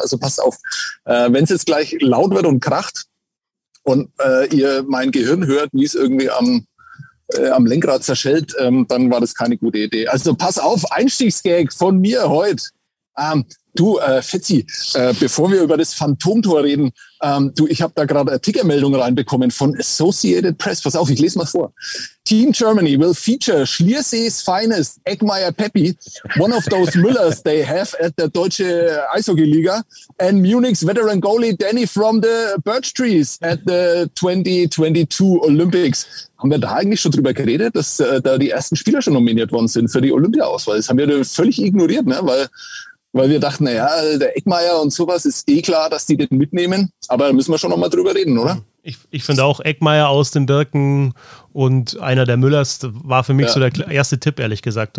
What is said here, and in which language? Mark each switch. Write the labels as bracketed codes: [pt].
[de] Also pass auf, wenn es jetzt gleich laut wird und kracht und ihr mein Gehirn hört, wie es irgendwie am Lenkrad zerschellt, dann war das keine gute Idee. Also pass auf, Einstiegsgag von mir heute. Bevor wir über das Phantomtor reden, ich habe da gerade eine Tickermeldung reinbekommen von Associated Press. Pass auf, ich lese mal vor. [en] Team Germany will feature Schliersees Finest, Eggmeier Peppi, one of those Müllers they have at the Deutsche Eishockey-Liga, and Munich's veteran goalie Danny from the Birch Trees at the 2022 Olympics. [de] Haben wir da eigentlich schon drüber geredet, dass da die ersten Spieler schon nominiert worden sind für die Olympia-Auswahl? Das haben wir völlig ignoriert, ne? Weil wir dachten, naja, der Eggmeier und sowas, ist eh klar, dass die den mitnehmen. Aber da müssen wir schon nochmal drüber reden, oder? Ich finde auch, Eggmeier aus den Birken und einer der Müllers war für mich ja so der erste Tipp, ehrlich gesagt.